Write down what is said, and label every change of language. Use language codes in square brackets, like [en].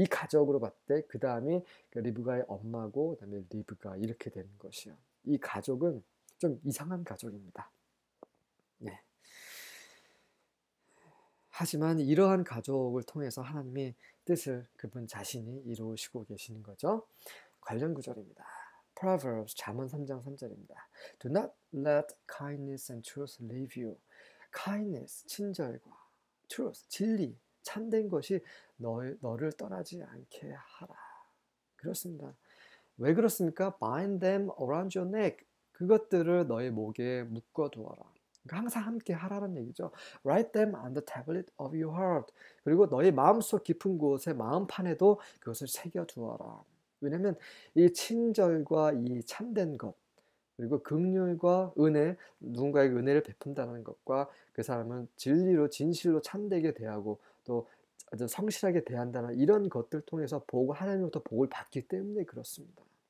[ko] 이 가족으로 봤대. 그 다음에 리브가의 엄마고 그 다음에 리브가 이렇게 되는 것이요. 이 가족은 좀 이상한 가족입니다. 네. 하지만 이러한 가족을 통해서 하나님의 뜻을 그분 자신이 이루시고 계시는 거죠. 관련 구절입니다. Proverbs 잠언 3장 3절입니다. [en] Do not let kindness and truth leave you. [ko] kindness, 친절과 truth, 진리, 참된 것이 너를 떠나지 않게 하라. 그렇습니다. 왜 그렇습니까? [en] bind them around your neck. [ko] 그것들을 너의 목에 묶어두어라. 그러니까 항상 함께 하라는 얘기죠. [en] write them on the tablet of your heart. [ko] 그리고 너의 마음속 깊은 곳에 마음판에도 그것을 새겨두어라. 왜냐면 이 친절과 이 참된 것, 그리고 긍휼과 은혜, 누군가에게 은혜를 베푼다는 것과 그 사람은 진리로 진실로 참되게 대하고 또 아주 성실하게 대한다는 이런 것들 통해서 복을 하나님으로부터 복을 받기 때문에 그렇습니다.